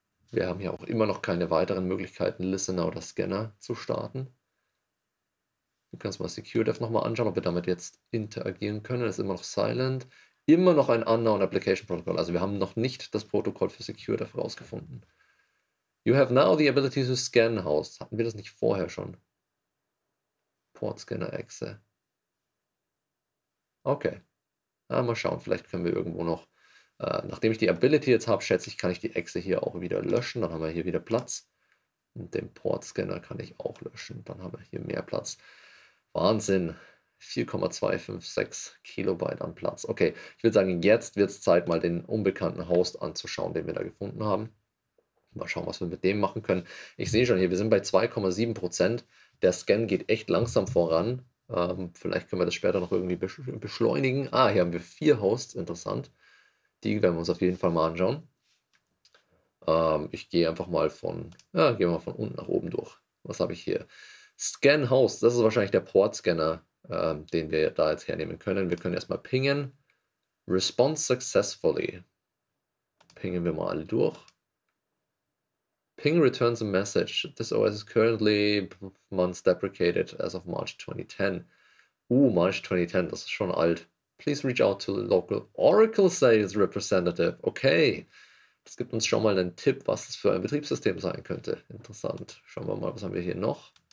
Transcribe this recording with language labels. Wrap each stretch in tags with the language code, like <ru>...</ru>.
<de>Wir haben hier auch immer noch keine weiteren Möglichkeiten, Listener oder Scanner zu starten. Wir können uns mal SecureDev nochmal anschauen, ob wir damit jetzt interagieren können. Es ist immer noch silent. Immer noch ein</de> <en>unknown application protocol.</en> <de>Also wir haben noch nicht das Protokoll für SecureDev rausgefunden.</de> <en>You have now the ability to scan host.</en> <de>Hatten wir das nicht vorher schon? Portscanner-Exe. Okay. Ja, mal schauen, vielleicht können wir irgendwo noch nachdem ich die Ability jetzt habe, schätze ich, kann ich die Exe hier auch wieder löschen. Dann haben wir hier wieder Platz. Und den Portscanner kann ich auch löschen. Dann haben wir hier mehr Platz. Wahnsinn. 4,256 Kilobyte an Platz. Okay, ich würde sagen, jetzt wird es Zeit, mal den unbekannten Host anzuschauen, den wir da gefunden haben. Mal schauen, was wir mit dem machen können. Ich sehe schon hier, wir sind bei 2,7%. Der Scan geht echt langsam voran. Vielleicht können wir das später noch irgendwie beschleunigen. Ah, hier haben wir 4 Hosts. Interessant. Die werden wir uns auf jeden Fall mal anschauen. Ich gehe einfach mal von unten nach oben durch. Was habe ich hier? Scan Host, das ist wahrscheinlich der Portscanner, den wir da jetzt hernehmen können. Wir können erstmal pingen.</de> <en>Response successfully.</en> <de>Pingen wir mal alle durch.</de> <en>Ping returns a message. This OS is currently months deprecated as of March 2010. March 2010,</en> <de>das ist schon alt.</de> <en>Please reach out to the local Oracle Sales Representative.</en> <de>Okay, das gibt uns schon mal einen Tipp, was das für ein Betriebssystem sein könnte. Interessant. Schauen wir mal, was haben wir hier noch?</de>